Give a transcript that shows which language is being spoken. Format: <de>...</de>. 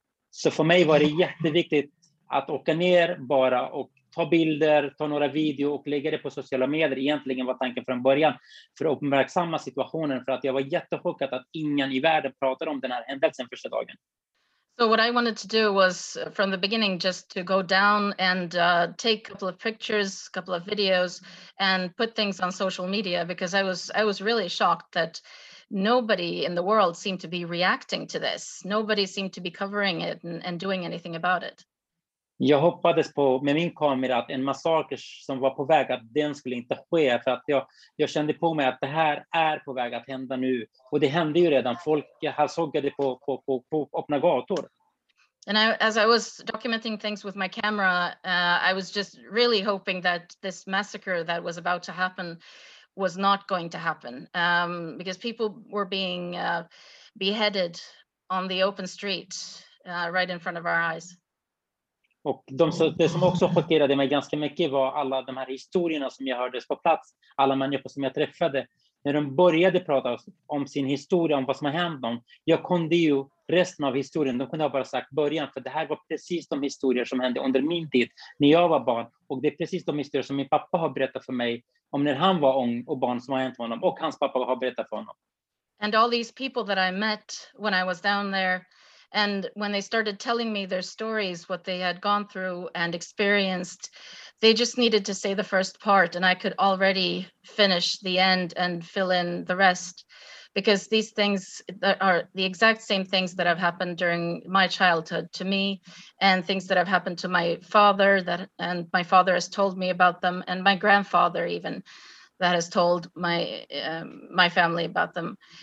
<sv>Så för mig var det jätteviktigt att åka ner bara och ta bilder, ta några video och lägga det på sociala medier. Egentligen var tanken från början för att uppmärksamma situationen, för att jag var jättechockad att ingen i världen pratade om den här händelsen första dagen.</sv> <en>So what I wanted to do was from the beginning just to go down and take a couple of pictures, a couple of videos and put things on social media, because I was really shocked that nobody in the world seemed to be reacting to this. Nobody seemed to be covering it and doing anything about it.</en> <sv>Jag hoppades på med min kamera att en massaker som var på väg, att den skulle inte ske, för att jag kände på mig att det här är på väg att hända nu, och det hände ju redan. Folk halshuggade på öppna gator.</sv> <en>And as I was documenting things with my camera, I was just really hoping that this massacre that was about to happen was not going to happen, because people were being beheaded on the open street right in front of our eyes.</en> <sv>Och det som också chockerade mig ganska mycket var alla de här historierna som jag hördes på plats, alla människor som jag träffade, när de började prata om sin historia, om vad som har hänt dem. Jag kunde ju resten av historien, de kunde ha bara sagt början, för det här var precis de historier som hände under min tid när jag var barn, och det är precis de historier som min pappa har berättat för mig om när han var ung och barn, som har hänt honom, och hans pappa har berättat för honom.</sv> <en>And all these people that I met when I was down there, and when they started telling me their stories, what they had gone through and experienced, they just needed to say the first part and I could already finish the end and fill in the rest, because these things are the exact same things that have happened during my childhood to me, and things that have happened to my father, that and my father has told me about them, and my grandfather even, that has told my family about them.</en>